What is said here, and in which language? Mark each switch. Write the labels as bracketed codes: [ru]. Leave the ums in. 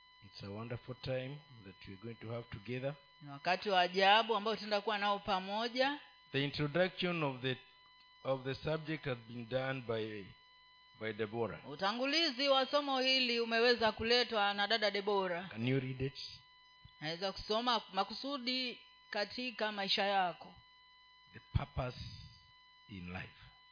[en] It's a wonderful time that we're going to have together. [sw] Ni wakati wa ajabu ambao tutaenda kuwa nao pamoja. [en] The introduction of the of the subject has been done by by Deborah. [sw] Utangulizi wa somo hili umeweza kuletwa na dada Deborah. [en] Can you read it? [sw] Naweza kusoma makusudi katika maisha yako. [en] The purpose in life.